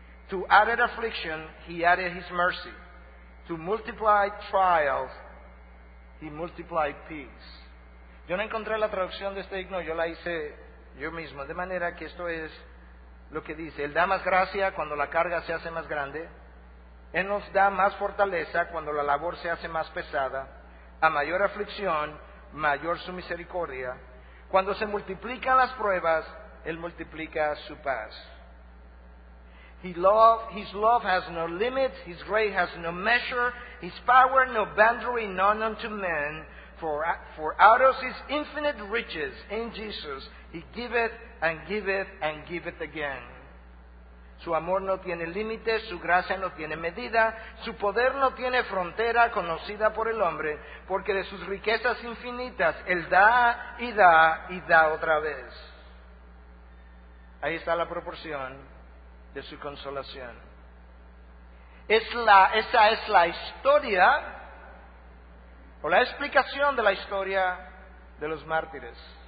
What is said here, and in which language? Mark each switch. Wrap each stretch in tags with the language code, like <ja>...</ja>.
<en>To added affliction, He added His mercy. To multiplied trials, He multiplied peace.</en> <es>Yo no encontré la traducción de este himno, yo la hice yo mismo. De manera que esto es lo que dice: Él da más gracia cuando la carga se hace más grande. Él nos da más fortaleza cuando la labor se hace más pesada. A mayor aflicción, mayor su misericordia. Cuando se multiplican las pruebas, Él multiplica su paz.</es> <en>His love has no limits, His grace has no measure, His power no boundary, none unto men. For out of His infinite riches in Jesus, He giveth and giveth and giveth again.</en> <es>Su amor no tiene límites, su gracia no tiene medida, su poder no tiene frontera conocida por el hombre, porque de sus riquezas infinitas Él da y da y da otra vez. Ahí está la proporción de su consolación. Esa es la historia, o la explicación de la historia de los mártires.</es>